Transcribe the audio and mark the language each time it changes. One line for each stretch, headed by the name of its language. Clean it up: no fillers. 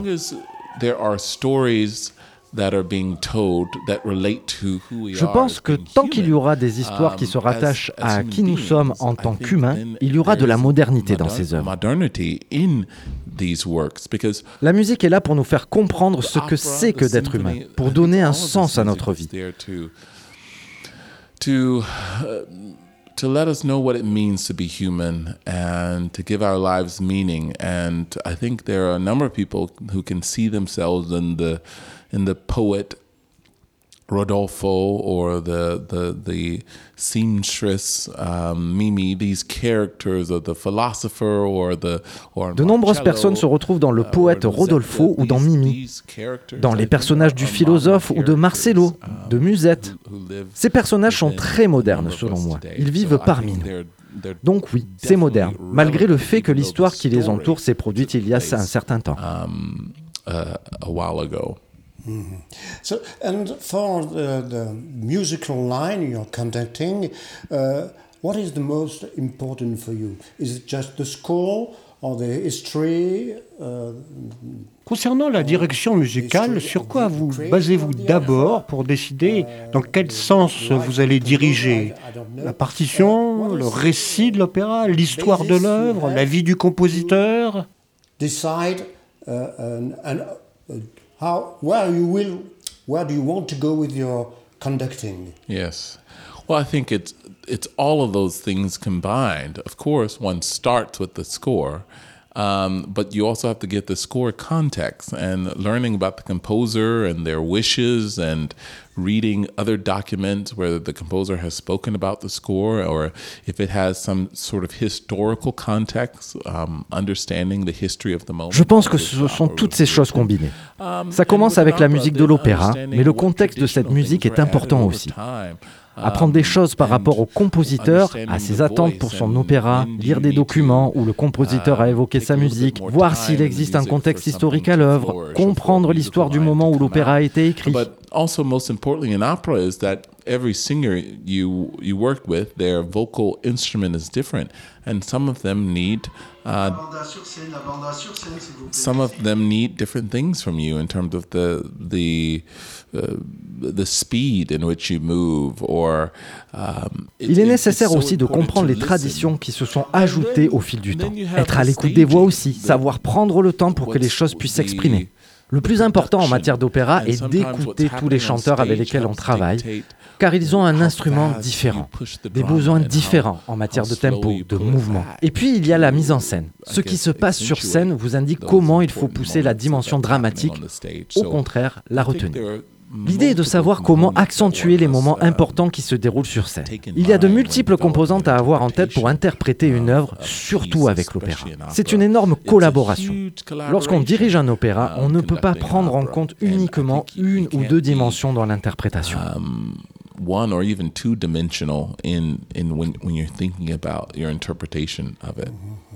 English: As long as there are stories that are being told that relate to who we are.
French: Je pense que tant qu'il y aura des histoires qui se rattachent à qui nous sommes en tant qu'humains, il y aura de la modernité dans ces œuvres.
English: Modernity in these works because
French: la musique est là pour nous faire comprendre ce que c'est que d'être humain, pour donner un sens à notre vie.
English: To let us know what it means to be human and to give our lives meaning, and I think there are a number of people who can see themselves in the poet Rodolfo or the seamstress Mimi, these characters of the philosopher or
French: de nombreuses personnes se retrouvent dans le poète Rodolfo ou dans Mimi, dans les personnages du philosophe ou de Marcello, de Musette. Ces personnages sont très modernes selon moi. Ils vivent parmi nous. Donc oui, c'est moderne, malgré le fait que l'histoire qui les entoure s'est produite il y a un certain temps.
English: A while ago. Mm-hmm. So, and for the musical line you're conducting, what is the most important for you? Is it just the score or the history?
French: Concernant la direction musicale, sur quoi vous basez-vous d'abord pour décider dans quel sens vous allez diriger? La partition, le récit de l'opéra, l'histoire de l'œuvre, la vie du compositeur?
English: Decide where do you want to go with your conducting? Yes. Well, I think it's all of those things combined. Of course, one starts with the score, but you also have to get the score context and learning about the composer and their wishes and reading other documents where the composer has spoken about the score or if it has some sort of historical context, understanding the history of the moment.
French: Je pense que ce sont toutes ces choses combinées. Ça commence avec la musique de l'opéra, mais le contexte de cette musique est important aussi. Apprendre des choses par rapport au compositeur, à ses attentes pour son opéra, lire des documents où le compositeur a évoqué sa musique, voir s'il existe un contexte historique à l'œuvre, comprendre l'histoire du moment où l'opéra a été écrit.
English: Also, most importantly, in opera is that every singer you work with, their vocal instrument is different, and some of them need different things from you in terms of the speed in which you move. Or
French: il est nécessaire aussi de comprendre les traditions qui se sont ajoutées au fil du temps. Être à l'écoute des voix aussi, savoir prendre le temps pour que les choses puissent s'exprimer. Le plus important en matière d'opéra est d'écouter tous les chanteurs avec lesquels on travaille, car ils ont un instrument différent, des besoins différents en matière de tempo, de mouvement. Et puis il y a la mise en scène. Ce qui se passe sur scène vous indique comment il faut pousser la dimension dramatique, au contraire, la retenir. L'idée est de savoir comment accentuer les moments importants qui se déroulent sur scène. Il y a de multiples composantes à avoir en tête pour interpréter une œuvre, surtout avec l'opéra. C'est une énorme collaboration. Lorsqu'on dirige un opéra, on ne peut pas prendre en compte uniquement une ou deux dimensions dans l'interprétation.
English: One or even two dimensional in when you're thinking about your interpretation of it. Mm-hmm.